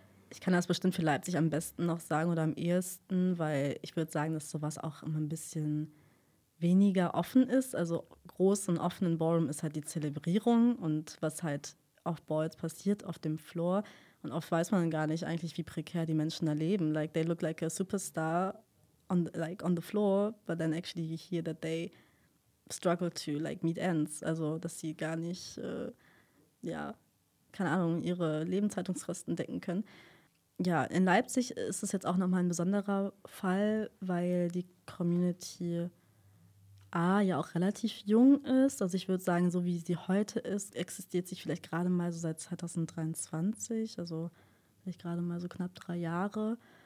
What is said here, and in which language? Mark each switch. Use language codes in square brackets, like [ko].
[de] Ich kann das bestimmt für Leipzig am besten noch sagen oder am ehesten, weil ich würde sagen, dass sowas auch immer ein bisschen weniger offen ist. Also groß und offen im Ballroom ist halt die Zelebrierung und was halt auf Balls passiert, auf dem Floor. Und oft weiß man gar nicht eigentlich, wie prekär die Menschen da leben. [en] Like, they look like a superstar on, like, on the floor, but then actually you hear that they struggle to like meet ends. [de] Also, dass sie gar nicht, ihre Lebenshaltungskosten decken können. Ja, in Leipzig ist es jetzt auch nochmal ein besonderer Fall, weil die Community A ja auch relativ jung ist. Also ich würde sagen, so wie sie heute ist, existiert sie vielleicht gerade mal so seit 2023, also vielleicht gerade mal so knapp 3 Jahre.